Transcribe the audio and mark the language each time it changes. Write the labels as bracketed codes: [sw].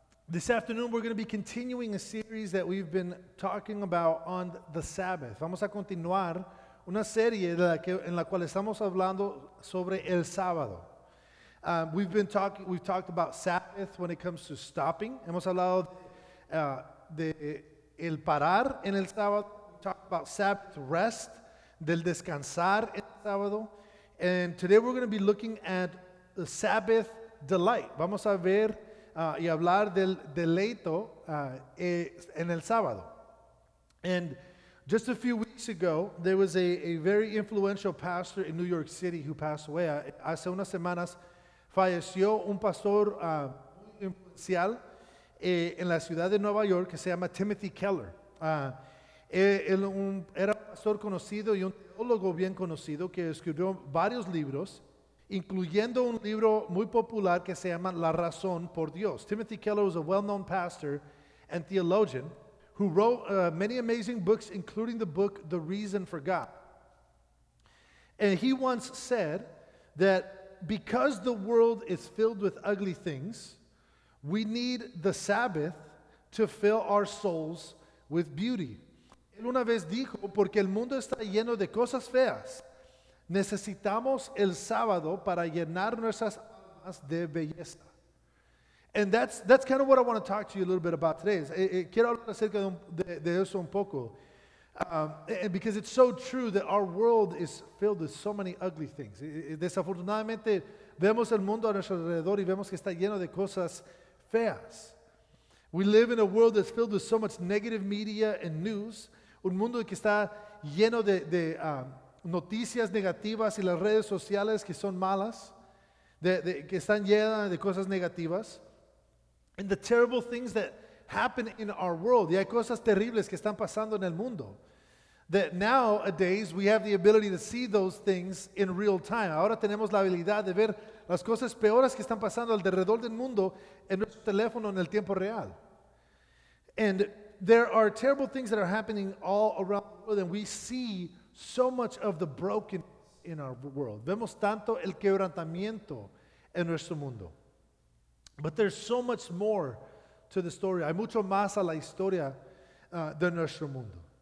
[en] This afternoon we're going to be continuing a series that we've been talking about on the Sabbath. [es] Vamos a continuar una serie en la cual estamos hablando sobre el sábado. [en] We've talked about Sabbath when it comes to stopping. [es] Hemos hablado de el parar en el sábado. [en] We talked about Sabbath rest, [es] del descansar en el sábado. [en] And today we're going to be looking at the Sabbath delight. [es] Vamos a ver y hablar del deleito en el sábado. [en] And just a few weeks ago, there was a very influential pastor in New York City who passed away. [es] Hace unas semanas falleció un pastor muy influencial en la ciudad de Nueva York que se llama Timothy Keller. Era un pastor conocido y un teólogo bien conocido que escribió varios libros, incluyendo un libro muy popular que se llama La Razón por Dios. [en] Timothy Keller was a well-known pastor and theologian who wrote many amazing books, including the book The Reason for God. And he once said that because the world is filled with ugly things, we need the Sabbath to fill our souls with beauty. [es] Él una vez dijo, porque el mundo está lleno de cosas feas, necesitamos el sábado para llenar nuestras almas de belleza. [en] And that's kind of what I want to talk to you a little bit about today. [es] Quiero hablar acerca de eso un poco. [en] Because it's so true that our world is filled with so many ugly things. [es] Desafortunadamente, vemos el mundo a nuestro alrededor y vemos que está lleno de cosas feas. [en] We live in a world that's filled with so much negative media and news. [es] Un mundo que está lleno noticias negativas y las redes sociales que son malas, que están llenas de cosas negativas. [en] And the terrible things that happen in our world. [es] Y hay cosas terribles que están pasando en el mundo. [en] That nowadays we have the ability to see those things in real time. [es] Ahora tenemos la habilidad de ver las cosas peores que están pasando alrededor del mundo en nuestro teléfono en el tiempo real. [en] And there are terrible things that are happening all around the world, and we see so much of the brokenness in our world. [es] Vemos tanto el quebrantamiento en nuestro mundo. [en] But there's so much more to the story. [es] Hay mucho más a la historia de nuestro mundo.